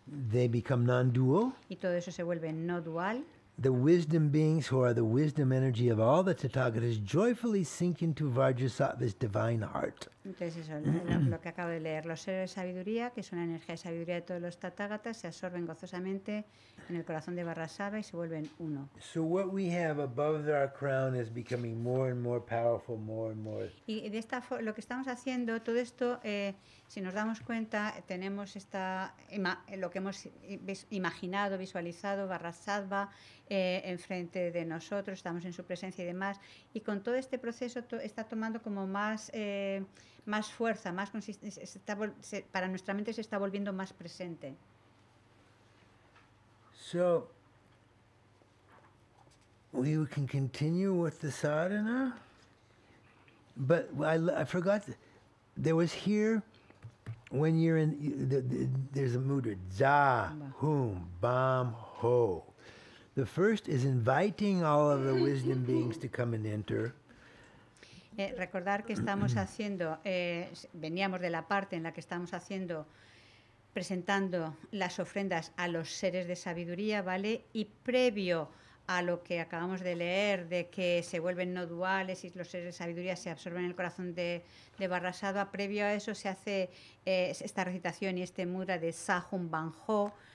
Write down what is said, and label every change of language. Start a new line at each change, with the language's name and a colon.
English: They become non-dual.
Spanish: Y todo eso se vuelve no dual.
English: The wisdom beings who are the wisdom energy of all the Tathagatas joyfully sink into Vajrasattva's divine heart.
Spanish: Entonces eso, lo que acabo de leer, los seres de sabiduría, que es una energía de sabiduría de todos los Tathagatas, se absorben gozosamente en el corazón de Vajrasattva y se vuelven uno.
English: So what we have above our crown is becoming more and more powerful, more and more.
Spanish: Y de esta lo que estamos haciendo, todo esto, si nos damos cuenta, tenemos esta lo que hemos imaginado, visualizado, Vajrasattva enfrente de nosotros, estamos en su presencia y demás. Y con todo este proceso está tomando como más fuerza, más consistencia, para nuestra mente se está volviendo más presente.
English: So, we can continue with the sadhana, but I forgot, there was here, when you're in, there's a mudra, za, hum, bam, ho. The first is inviting all of the wisdom beings to come and enter.
Spanish: Recordar que estamos haciendo, veníamos de la parte en la que estamos haciendo presentando las ofrendas a los seres de sabiduría, ¿vale? Y previo a lo que acabamos de leer de que se vuelven no duales y los seres de sabiduría se absorben en el corazón de Vajrasattva, previo a eso se hace esta recitación y este mudra de Sahum Banjo,